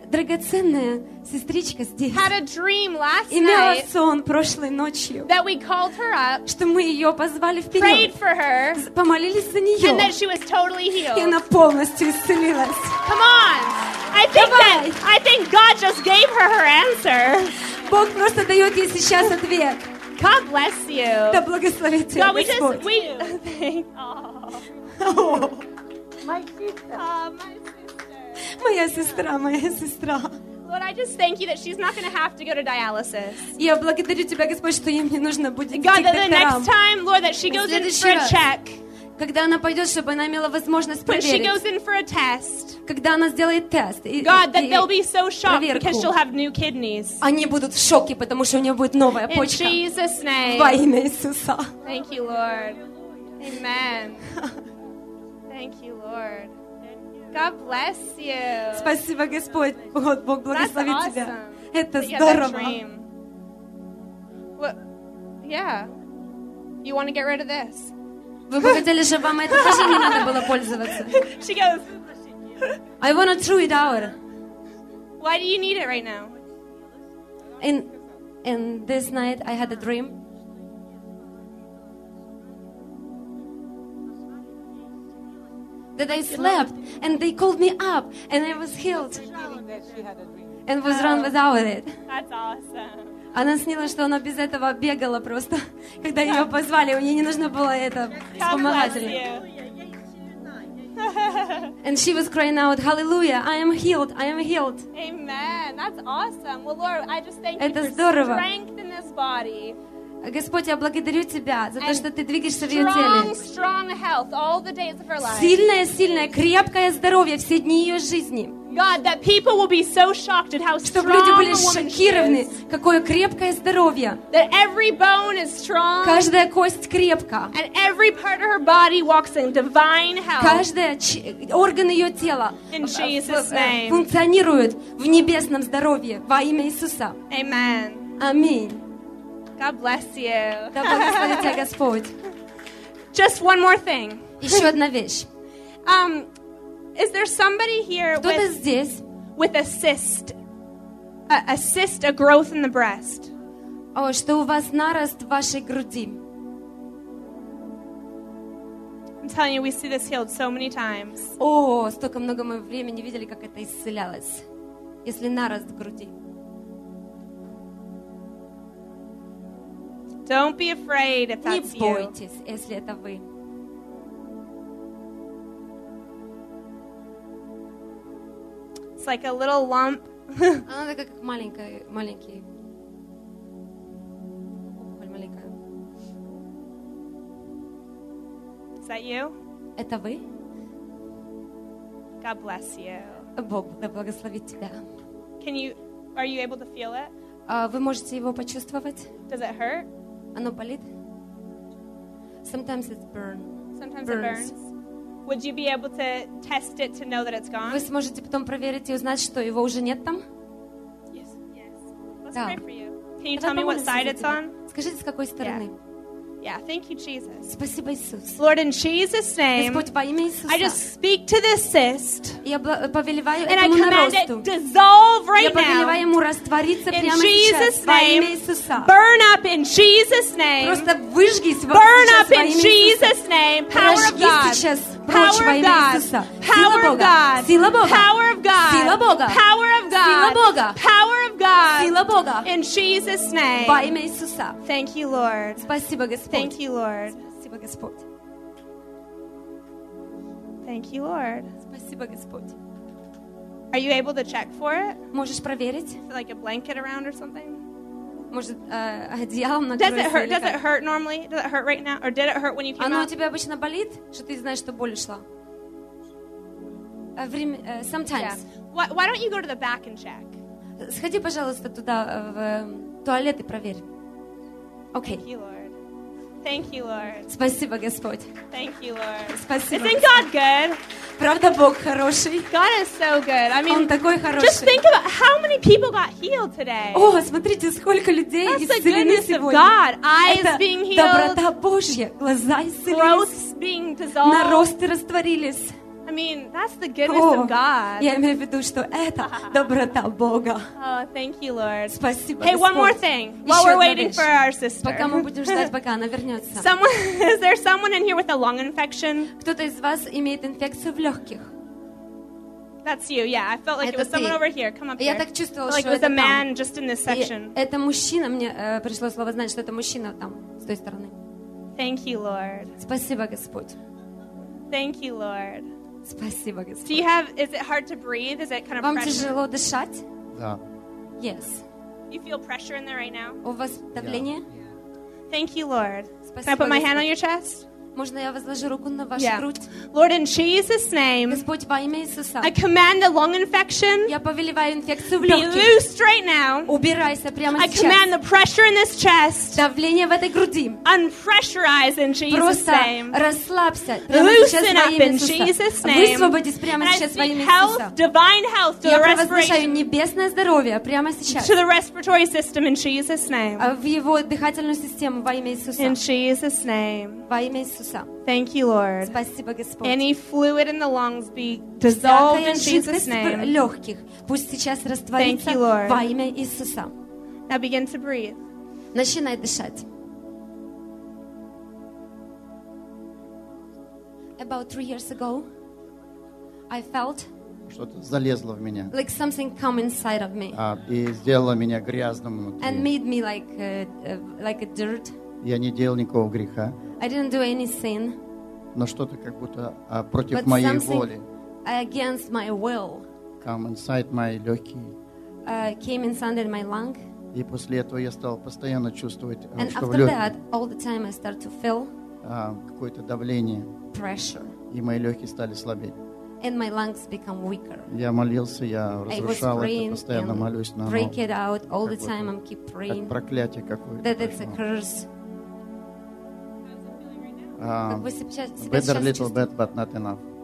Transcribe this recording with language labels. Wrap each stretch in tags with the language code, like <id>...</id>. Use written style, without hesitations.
<ru>Эта драгоценная сестричка здесь.</ru> <en>Had a dream last night.</en> <ru>Имела сон прошлой ночью.</ru> <en>That we called her up.</en> <ru>Что мы ее позвали вперед.</ru> <en>Prayed for her.</en> <ru>Помолились за нее.</ru> <en>And then she was totally healed.</en> <ru>И она полностью исцелилась.</ru> <en>Come on. I think God just gave her her answer.</en> <ru>Бог просто дает ей сейчас ответ.</ru> <en>God bless you.</en> <ru>Да благословит тебя Господь.</ru> <en>No, we</en> <ru>Господь.</ru> <en>Just we. Thank you. Oh. My sister.</en> <ru>Моя сестра, моя сестра.</ru> <en>Lord, I just thank you that she's not going to have to go to dialysis.</en> <ru>Я благодарю тебя, Господь, что ей не нужно будет идти к докторам.</ru> <en>God, the next time, Lord, that she goes in for a check.</en> <ru>Когда она пойдет, чтобы она имела возможность проверить.</ru> <en>When she goes in for a test.</en> <ru>Когда она сделает тест.</ru> <en>God, that they'll be so shocked because she'll have new kidneys.</en> <ru>Они будут в шоке, потому что у нее будет новая почка.</ru> <en>In Jesus' name.</en> <ru>Во имя Иисуса.</ru> <en>Thank you, Lord. Amen. Thank you, Lord. God bless you.</en> <ru>Спасибо, Господь. Бог благословит</ru> <en>That's awesome.</en> <ru>Тебя. Это здорово.</ru> <en>That dream. Yeah. You want to get rid of this?</en> <ru>Вы бы хотели, чтобы вам это тоже не надо было пользоваться.</ru> <en>She goes, I want to throw it out. Why do you need it right now? In this night, I had a dream. That I slept, and they called me up, and I was healed. And was run without it. That's awesome.</en> <ru>Она снила, что она без этого бегала просто, когда ее позвали, у нее не нужно было это вспомогательное.</ru> <en>And she was crying out, Hallelujah, I am healed, I am healed. Amen, that's awesome. Well, Lord, I just thank</en> <ru>это</ru> <en>you for</en> <ru>здорово.</ru> <en>Strength in this body.</en> <ru>Господь, я благодарю Тебя за</ru> <en>And</en> <ru>то, что Ты двигаешься</ru> <en>strong,</en> <ru>в ее теле.</ru> <en>Strong health all the days of her life.</en> <ru>Сильное, сильное, крепкое здоровье все дни ее жизни.</ru> <en>God, that people will be so shocked at how strong a woman is.</en> <ru>Чтобы люди были шокированы, какое крепкое здоровье.</ru> <en>That every bone is strong.</en> <ru>Каждая кость крепка.</ru> <en>And every part of her body walks in divine health.</en> <ru>Каждый орган ее тела функционирует в небесном здоровье во имя Иисуса.</ru> <en>Amen.</en> <ru>Аминь.</ru> <en>God bless you.</en> <ru>Да благословит тебя Господь.</ru> <en>Just one more thing.</en> <ru>Еще одна вещь.</ru> <en>Is there somebody here with a cyst? A cyst, a growth in the breast.</en> <ru>О, что у вас нарост в вашей груди?</ru> <en>I'm telling you, we see this healed so many times.</en> <ru>О, столько много мы времени видели, как это исцелялось. Если нарост в груди.</ru> <en>Don't be afraid if that's you.</en> <ru>Не бойтесь, если это вы.</ru> <en>It's like a little lump.</en> <ru>Она такая маленькая, маленький.</ru> <en>Is that you?</en> <ru>Это вы?</ru> <en>God bless you.</en> <ru>Бог да благословит тебя.</ru> <en>Can you? Are you able to feel it?</en> <ru>Вы можете его почувствовать?</ru> <en>Does it hurt?</en> <ru>Оно болит?</ru> <en>Sometimes it burns. Sometimes it burns. Would you be able to test it to know that it's gone?</en> <ru>Вы сможете потом проверить и узнать, что его уже нет там?</ru> <en>Yes, yes. Let's pray for you. Can you tell me what side it's on?</en> <ru>Скажите, с какой стороны?</ru> <en>Yeah, thank you, Jesus.</en> <ru>Спасибо, Иисус.</ru> <en>Lord, in Jesus' name,</en> <ru>Господь, во имя Иисуса,</ru> <en>I just speak to this cyst,</en> <ru>я повелеваю</ru> <en>and</en> <ru>этому</ru> <en>I command</en> <ru>наросту.</ru> <en>It to dissolve right</en> <ru>я повелеваю</ru> <en>now,</en> <ru>ему раствориться</ru> <en>in</en> <ru>прямо</ru> <en>Jesus</en> <ru>сейчас,</ru> <en>name,</en> <ru>во имя Иисуса.</ru> <en>Burn up in Jesus' name,</en> <ru>просто выжгись</ru> <en>burn</en> <ru>сейчас,</ru> <en>up in Jesus' name,</en> <ru>прожги сейчас прочь во имя Иисуса. Сила Бога, сила Бога,</ru> <en>power of God,</en> <ru>сила Бога,</ru> <en>power of God,</en> <ru>сила Бога,</ru> <en>power of God,</en> <ru>сила Бога,</ru> <en>in Jesus' name,</en> <ru>во имя Иисуса.</ru> <en>Thank you, Lord.</en> <ru>Спасибо, Господь.</ru> <en>Thank you, Lord.</en> <ru>Спасибо, Господь.</ru> <en>Thank you, Lord.</en> <ru>Спасибо, Господь.</ru> <en>Are you able to check for it?</en> <ru>Можешь проверить?</ru> <en>Is there like a blanket around or something?</en> <ru>Может, одеялом накрыть?</ru> <en>Does it hurt? Does it hurt normally? Does it hurt right now? Or did it hurt when you came</en> <ru>оно</ru> <en>out?</en> <ru>Оно у тебя обычно болит, что ты знаешь, что боль ушла?</ru> <en>Sometimes. Yeah. Why don't you go to the back and check?</en> <ru>Сходи, пожалуйста, туда в туалеты проверим. Окей.</ru> <en>Thank you, Lord.</en> <ru>Спасибо, Господь.</ru> <en>Thank you, Lord.</en> <ru>Спасибо.</ru> <en>Isn't God good?</en> <ru>Правда, Бог хороший.</ru> <en>God is so good. I mean,</en> <ru>Он такой хороший.</ru> <en>Just think about how many people got healed today.</en> <ru>О, смотрите, сколько людей исцелены сегодня.</ru> <en>God. Eyes being healed.</en> <ru>Доброта Божья, глаза исцелились. Наросты растворились.</ru> <en>I mean, that's the goodness of God.</en> <ru>Я имею в виду, что это доброта Бога.</ru> <en>Oh, thank you, Lord.</en> <ru>Спасибо.</ru> <en>Hey, one more thing. While we're waiting for our sister.</en> <ru>Пока мы будем ждать, пока она вернется.</ru> <en>Is there someone in here with a lung infection?</en> <ru>Кто-то из вас имеет инфекцию в легких?</ru> <en>That's you. Yeah, I felt like it was someone over here. Come up here.</en> <ru>Я так чувствовала, что это там.</ru> <en>Like it was a man just in this section.</en> <ru>Это мужчина. Мне пришло слово знать, что это мужчина там с той стороны.</ru> <en>Thank you, Lord.</en> <ru>Спасибо, Господь.</ru> <en>Thank you, Lord.</en> <ru>Спасибо, Господь.</ru> <en>Do you have? Is it hard to breathe? Is it kind of?</en> <ru>Вам</ru> <en>pressure?</en> <ru>Тяжело дышать? Да.</ru> <en>Yes. You feel pressure in there right now?</en> <ru>У вас давление?</ru> <en>Yeah. Thank you, Lord.</en> <ru>Спасибо,</ru> <en>Can I put</en> <ru>Господь.</ru> <en>My hand on your chest?</en> <ru>Можно я возложу руку на вашу грудь?</ru> <en>Lord, in Jesus' name.</en> <ru>Господь, во имя Иисуса.</ru> <en>I command a lung infection.</en> <ru>Я повелеваю инфекцию в легких.</ru> <en>Be loosed right now.</en> <ru>Убирайся прямо сейчас.</ru> <en>I command the pressure in this chest.</en> <ru>Давление в этой груди.</ru> <en>Unpressurize in Jesus' name.</en> <ru>Просто расслабься прямо сейчас во имя Иисуса. Высвободись прямо сейчас во имя Иисуса.</ru> <en>Divine health to the respiration.</en> <ru>Я провозглашаю небесное здоровье прямо сейчас.</ru> <en>To the respiratory system in Jesus' name.</en> <ru>В его дыхательную систему во имя Иисуса.</ru> <en>In Jesus' name.</en> <ru>Во имя Иисуса.</ru> <en>Thank you, Lord.</en> <ru>Спасибо, Господь.</ru> <en>Any fluid in the lungs be dissolved in Jesus' name.</en> <ru>Легких пусть сейчас растворится во имя Иисуса.</ru> <en>Now begin to breathe.</en> <ru>Начинай дышать.</ru> <en>About 3 years ago, I felt</en> <ru>что-то залезло в меня.</ru> <en>Like something come inside of me.</en> <ru>И сделало меня грязным внутри.</ru> <en>And made me like a dirt.</en> <ru>Я не делал никакого греха.</ru> <en>I didn't do any sin.</en> <ru>Но что-то как будто против моей воли.</ru> <en>Against my will. Come inside my</en> <ru>легкие.</ru> <en>Came inside my lung.</en> <ru>И после этого я стал постоянно чувствовать,</ru> <en>and</en> <ru>что</ru> <en>after</en> <ru>в легких.</ru> <en>That, all the time I start to feel</en> <ru>какое-то давление.</ru> <en>Pressure.</en> <ru>И мои легкие стали слабеть.</ru> <en>And my lungs become weaker.</en> <ru>Я молился, я разрушал это, постоянно молюсь на</ru> <en>break it out all the time. I'm keep praying.</en> <ru>Как проклятие какое-то.</ru> <en>That it's a curse. Better a little bit, but not enough.</en>